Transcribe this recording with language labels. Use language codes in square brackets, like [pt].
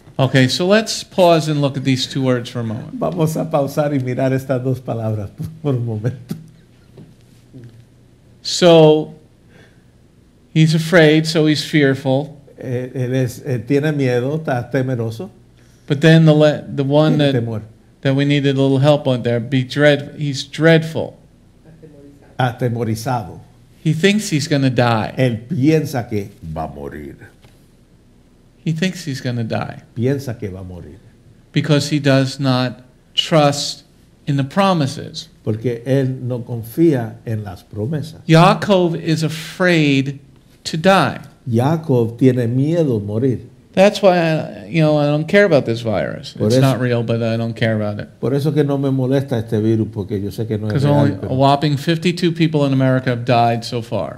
[en] Okay, so let's pause and look at these two words for a moment. [es] Vamos a pausar y mirar estas dos palabras por un momento. [en] So, he's afraid, so he's fearful. [es] Tiene miedo, está temeroso. [en] But then the one that... that we needed a little help on there. He's dreadful. [es] Atemorizado. [en] He thinks he's going to die. [es] Él piensa que va a morir. [en] He thinks he's going to die. [es] Piensa que va a morir. [en] Because he does not trust in the promises. [es] Porque él no confía en las promesas. [en] Jacob is afraid to die. [es] Jacob tiene miedo a morir. [en] That's why I don't care about this virus. It's not real, but I don't care about it. [es] Por eso que no me molesta este virus, porque yo sé que no es real. [en] Because only a whopping 52 people in America have died so far.